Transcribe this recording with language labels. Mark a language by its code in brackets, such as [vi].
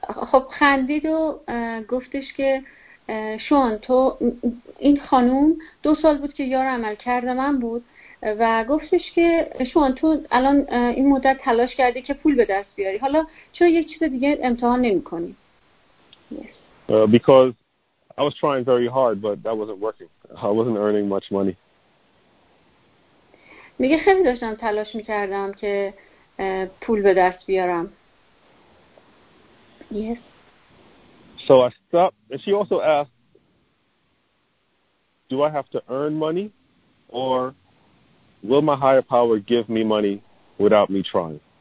[fa] خب خندید و گفتش که شون تو این خانوم 2 سال بود که یار عمل کرده من بود و گفتش که شون تو الان این مدت تلاش کردی که پول به دست بیاری، حالا چرا یک چیز دیگه امتحان نمی کنی؟ [en] Because I was trying very hard but that wasn't working. I wasn't earning much money. [fa] میگه خیلی داشتم تلاش میکردم که پول به دست بیارم. [en] Yes. So I stopped, and she also asked, do I have to earn money, or will my higher power give me money without me trying?